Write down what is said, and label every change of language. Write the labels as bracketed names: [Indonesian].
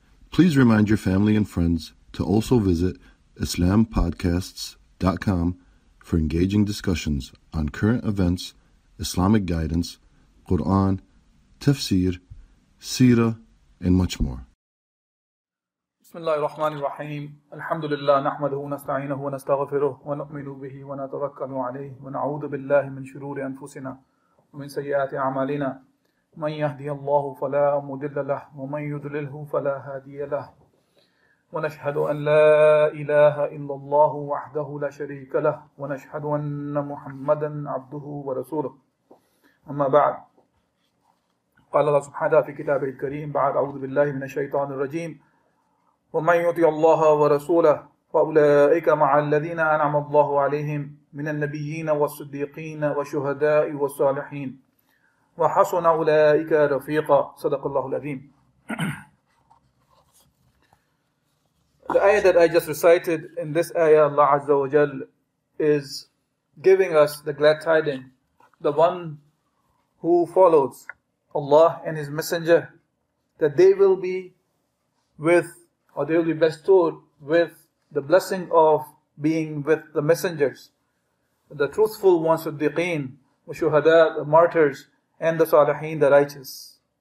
[English] Please remind your family and friends to also visit IslamPodcasts.com for engaging discussions on current events, Islamic guidance, Quran, tafsir, seerah, and much more. [Arabic] بسم الله الرحمن الرحيم الحمد لله نحمده ونستعينه ونستغفره ونؤمن به ونتوكل عليه ونعوذ بالله من شرور أنفسنا ومن سيئات أعمالنا من يهدي الله فلا مضل له ومن يضلله فلا هادي له ونشهد أن لا إله إلا الله وحده لا شريك له ونشهد أن محمدا عبده ورسوله أما بعد قال الله سبحانه في كتابه الكريم بعد أعوذ بالله من الشيطان الرجيم ومن يطع الله ورسوله فأولئك مع الذين أنعم الله عليهم من النبيين والصديقين والشهداء والصالحين وحسن أولئك رفيقا صدق الله العظيم. [English] The ayah that I just recited, in this ayah Allah Azza wa Jal is giving us the glad tidings, the one who follows Allah and His Messenger, that they will be with, or they will be bestowed with the blessing of being with the messengers, the truthful ones, Siddiqeen, the Shuhada, the martyrs, and the Salihin, the righteous.